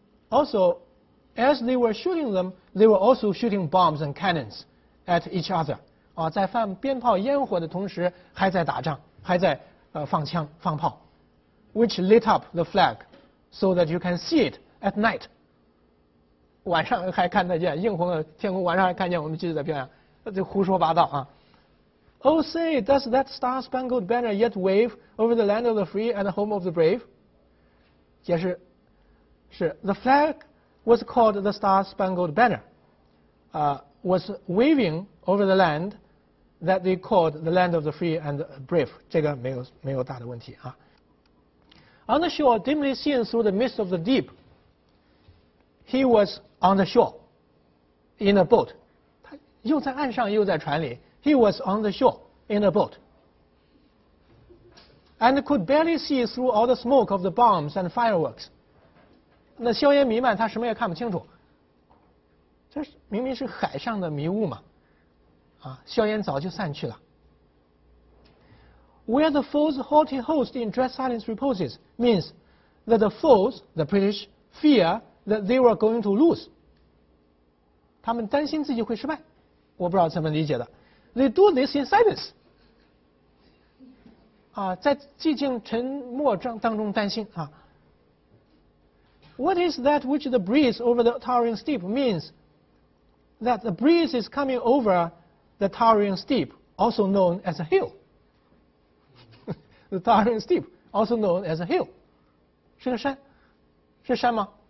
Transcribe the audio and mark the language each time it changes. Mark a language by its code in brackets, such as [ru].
[en] Also, as they were shooting them, they were also shooting bombs and cannons at each other。 [zh] 啊，在放鞭炮烟火的同时，还在打仗，还在放枪放炮。 [en] Which lit up the flag so that you can see it at night。 [zh] 晚上还看得见，映红了天空，晚上还看见我们旗帜在飘扬。那这胡说八道啊。 [en] Oh say, does that star-spangled banner yet wave over the land of the free and the home of the brave? [zh] 解释是 [en] The flag was called the star-spangled banner, was waving over the land that they called the land of the free and the brave. [zh] 这个没有大的问题啊。 [en] On the shore, dimly seen through the mist of the deep, he was on the shore in a boat. [zh] 他又在岸上又在船里。 [en] He was on the shore in a boat and could barely see through all the smoke of the bombs and fireworks. [zh] 那硝烟弥漫，他什么也看不清楚。这明明是海上的迷雾嘛，啊，硝烟早就散去了。 [en] Where the foe's haughty host in dread silence reposes means that the foes, the British, fear that they were going to lose. [zh] 他们担心自己会失败，我不知道怎么理解的。 [en] They do this in silence. [zh] 啊，在寂静沉默当中担心啊。 [en] What is that which the breeze over the towering steep means? That the breeze is coming over the towering steep, also known as a hill. The towering steep, also known as a hill. [zh] 是个山，是山吗？